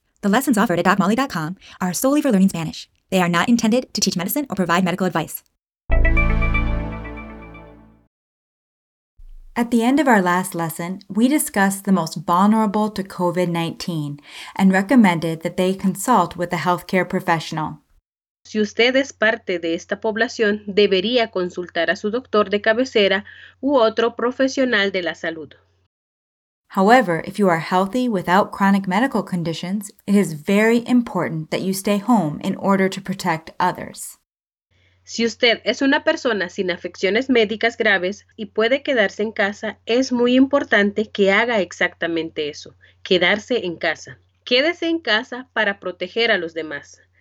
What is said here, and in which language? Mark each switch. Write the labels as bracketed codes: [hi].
[en] The lessons offered at DocMolly.com are solely for learning Spanish. They are not intended to teach medicine or provide medical advice. At the end of our last lesson, we discussed the most vulnerable to COVID-19 and recommended that they consult with a healthcare professional. [es] Si usted es parte de esta población, debería consultar a su doctor de cabecera u otro profesional de la salud. [en] However, if you are healthy without chronic medical conditions, it is very important that you stay home in order to protect others. [es] Si usted es una persona sin afecciones médicas graves y puede quedarse en casa, es muy importante que haga exactamente eso, quedarse en casa. Quédese en casa para proteger a los demás.